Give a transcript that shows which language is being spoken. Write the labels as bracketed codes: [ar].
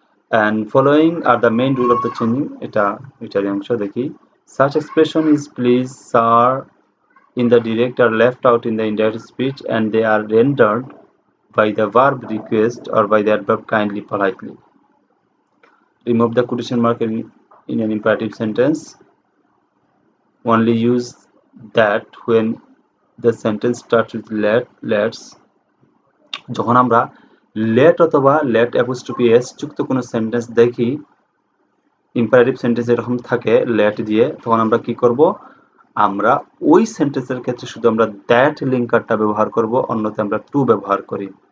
[en] and following are the main rule of the changing, [bn] এটা এটারই অংশ দেখি. [en] Such expression is please sir in the direct R left out in the indirect speech and they R rendered by the verb request or by the adverb kindly politely. Remove the quotation mark in an imperative sentence. Only use that when the sentence starts with let, let's. [bn] যখন আমরা let অথবা let apostrophe s যুক্ত কোন sentence দেখি imperative sentence এরকম থাকে let দিয়ে, তখন আমরা কি করব আমরা ওই সেন্টেন্সের ক্ষেত্রে শুধু আমরা that লিঙ্কারটা ব্যবহার করব, অন্যতে আমরা to ব্যবহার করি.